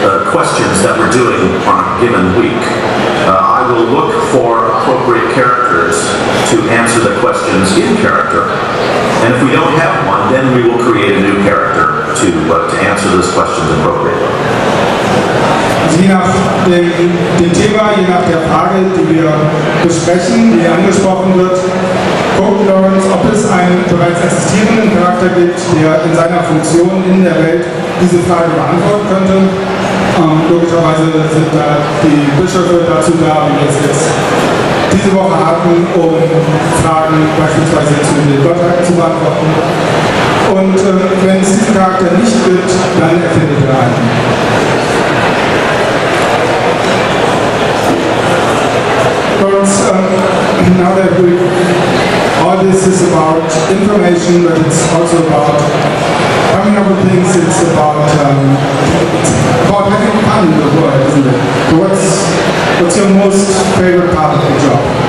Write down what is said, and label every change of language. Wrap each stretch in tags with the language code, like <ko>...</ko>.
<en>questions that we're doing on a given week. I will look for appropriate characters to answer the questions in character. And if we don't have one, then we will create a new character to answer those questions appropriately.</en> <de>Je nach dem Thema, je nach der Frage, die wir besprechen, die angesprochen wird, guckt Lawrence, ob es einen bereits existierenden Charakter gibt, der in seiner Funktion in der Welt diese Frage beantworten könnte. Logischerweise sind da die Bischöfe dazu da, wie wir es jetzt diese Woche hatten, um Fragen beispielsweise zu den Gottheiten zu beantworten. Und wenn es diesen Charakter nicht gibt, dann erfindet er einen.</de> <en>Now that we all this is about information, but it's also about coming up with things, it's about having fun in the world, isn't it? So what's your most favorite part of the job?</en>